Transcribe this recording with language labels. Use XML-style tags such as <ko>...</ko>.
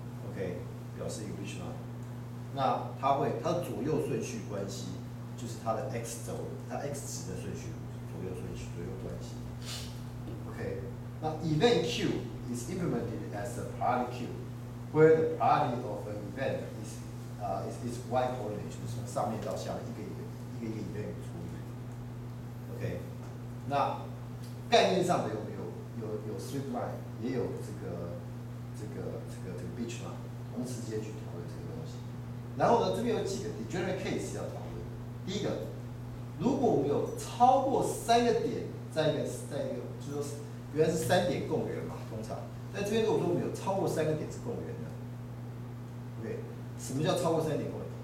<zh>OK， 表示一个 beach line， 那它左右顺序关系就是它的 x 轴，它 x 值的顺序，左右关系。</zh> <en>OK， 那 event queue is implemented as a priority queue， where the priority of an event is y coordinate，</en> <zh>就是从上面到下面一个 event 处理。 OK， 那概念上的有 straight line， 也有这个 beach line， 同时间去讨论这个东西。然后呢，这边有几个 degenerate case 要讨论。第一个，如果我们有超过三个点在一个，就是原来是三点共源嘛，通常在这边如果说我们有超过三个点是共源的 ，OK， 什么叫超过三点共源？</zh>